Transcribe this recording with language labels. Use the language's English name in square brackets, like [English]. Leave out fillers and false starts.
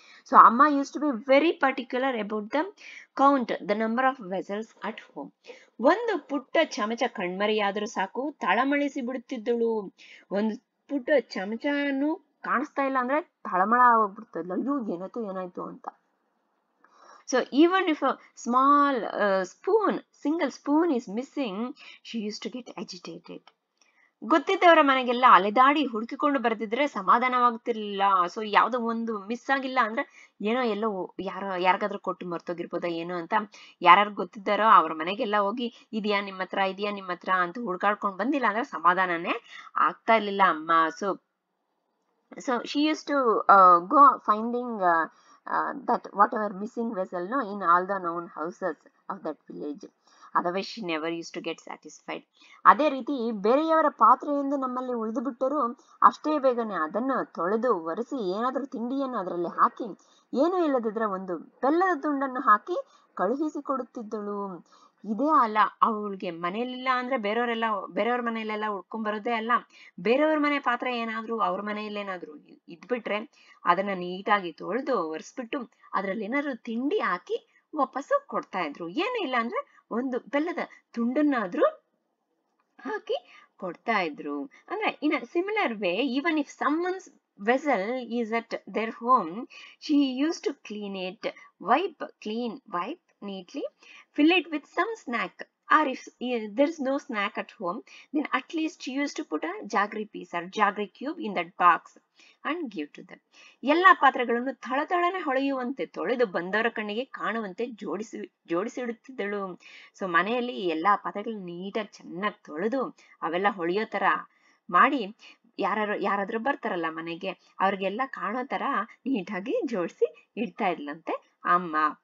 [English] So ಅಮ್ಮ used to be very particular about the count the number of vessels at home. [Kannada] ಒಂದು ಪುಟ್ಟ ಚಮಚ ಕಣ್ಮರೆಯಾದರೂ ಸಾಕು ತಳಮಳಿಸಿ ಬಿಡುತ್ತಿದ್ದಳು. ಒಂದು ಪುಟ್ಟ ಚಮಚನು ಕಾಣಿಸ್ತಾ ಇಲ್ಲ ಅಂದ್ರೆ ತಳಮಳ ಆಗ್ಬಿಡ್ತದ್ಲ, ಅಯ್ಯೋ ಏನಾಯ್ತು ಏನಾಯ್ತು ಅಂತ. [English] So even if a small spoon, single spoon is missing, she used to get agitated. [Kannada] ಗೊತ್ತಿದ್ದವರ ಮನೆಗೆಲ್ಲ ಅಲೆದಾಡಿ ಹುಡುಕಿಕೊಂಡು ಬರೆದಿದ್ರೆ ಸಮಾಧಾನವಾಗ್ತಿರ್ಲಿಲ್ಲ. ಸೊ ಯಾವುದೋ ಒಂದು ಮಿಸ್ ಆಗಿಲ್ಲ ಅಂದ್ರೆ ಏನೋ ಎಲ್ಲೋ ಯಾರಿಗಾದ್ರೂ ಕೊಟ್ಟು ಮರ್ತೋಗಿರ್ಬೋದಾ ಏನೋ ಅಂತ ಯಾರ್ಯಾರು ಗೊತ್ತಿದ್ದಾರೋ ಅವ್ರ ಮನೆಗೆಲ್ಲ ಹೋಗಿ ಇದೆಯಾ ನಿಮ್ಮ ಹತ್ರ, ಇದೆಯಾ ನಿಮ್ಮ ಹತ್ರ ಅಂತ ಹುಡುಕಾಡ್ಕೊಂಡು ಬಂದಿಲ್ಲ ಅಂದ್ರೆ ಸಮಾಧಾನನೇ ಆಗ್ತಾ ಇರ್ಲಿಲ್ಲ ಅಮ್ಮ. [English] So she used to go finding that whatever missing vessel no in all the known houses of that village, otherwise she never used to get satisfied. [Kannada] ಅದೆ ರೀತಿ ಬೇರೆಯವರ ಪಾತ್ರೆ ಎಂದು ನಮ್ಮಲ್ಲಿ ಉಳಿದು ಬಿಟ್ಟರು ಅಷ್ಟೇ ಬೇಗನೆ ಅದನ್ನು ತೊಳೆದು ಒರೆಸಿ ಏನಾದರೂ ತಿಂಡಿಯನ್ನು ಅದರಲ್ಲಿ ಹಾಕಿ, ಏನೂ ಇಲ್ಲದಿದ್ರೆ ಒಂದು ಬೆಲ್ಲದ ತುಂಡನ್ನು ಹಾಕಿ ಕಳುಹಿಸಿ ಕೊಡುತ್ತಿದ್ದಳು. ಇದೇ ಅಲ್ಲ ಅವಳಿಗೆ ಮನೆಯಲ್ಲಿಲ್ಲ ಅಂದ್ರೆ ಬೇರೆಯವರೆಲ್ಲ ಬೇರೆಯವ್ರ ಮನೆಯಲ್ಲೆಲ್ಲ ಉಡ್ಕೊಂಡ್ ಬರೋದೇ ಅಲ್ಲ, ಬೇರೆಯವ್ರ ಮನೆ ಪಾತ್ರೆ ಏನಾದ್ರೂ ಅವ್ರ ಮನೆಯಲ್ಲೇನಾದ್ರೂ ಇದ್ಬಿಟ್ರೆ ಅದನ್ನ ನೀಟಾಗಿ ತೊಳೆದು ಒರೆಸ್ಬಿಟ್ಟು ಅದ್ರಲ್ಲೇನಾದ್ರೂ ತಿಂಡಿ ಹಾಕಿ ವಾಪಸ್ ಕೊಡ್ತಾ ಇದ್ರು. ಏನೂ ಇಲ್ಲ ಅಂದ್ರೆ ಒಂದು ಬೆಲ್ಲದ ತುಂಡನ್ನಾದ್ರೂ ಹಾಕಿ ಕೊಡ್ತಾ ಇದ್ರು. [English] ಅಂದ್ರೆ in a similar way, even if someone's vessel is at their home, she used to clean it, wipe neatly, fill it with some snack, or if there is no snack at home, then at least she used to put a jaggery piece or jaggery cube in that box and give to them. [Kannada] ಎಲ್ಲಾ ಪಾತ್ರೆಗಳನ್ನು ತಳತಳನೆ ಹೊಳೆಯುವಂತೆ ತೊಳೆದು ಬಂದವರ ಕಣ್ಣಿಗೆ ಕಾಣುವಂತೆ ಜೋಡಿಸಿಡುತ್ತಿದ್ದಳು. So ಮನೆಯಲ್ಲಿ ಎಲ್ಲಾ ಪಾತ್ರೆಗಳನ್ನ ನೀಟಾಗಿ ಚೆನ್ನಾಗಿ ತೊಳೆದು ಅವೆಲ್ಲ ಹೊಳೆಯೋ ತರ ಮಾಡಿ ಯಾರು ಯಾರಾದ್ರೂ ಬರ್ತಾರಲ್ಲ ಮನೆಗೆ ಅವ್ರಿಗೆಲ್ಲ ಕಾಣೋ ತರ ನೀಟಾಗಿ ಜೋಡಿಸಿ ಇಡ್ತಾ ಇದ್ಲಂತೆ ಅಮ್ಮ.